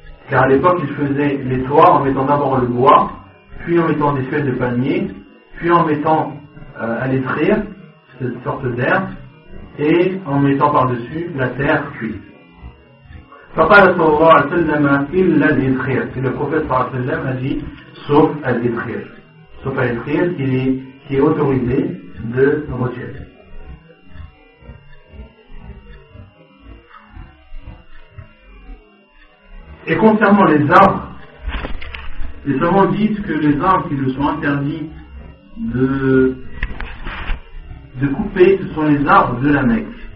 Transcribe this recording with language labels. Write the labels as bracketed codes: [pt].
[fr] Car à l'époque, ils faisaient les toits en mettant d'abord le bois, puis en mettant des feuilles de palmier, puis en mettant à l'étrir cette sorte d'herbe et en mettant par-dessus la terre cuite. [ar] فقال صلى الله عليه وسلم إلا الإدخير. [fr] Et le prophète [ar] صلى الله عليه وسلم [fr] a dit sauf à l'Idkhir. Sauf à l'Idkhir qui est autorisé de retirer. Et concernant les arbres, les savants disent que les arbres qui nous sont interdits de couper, ce sont les arbres de la Mecque.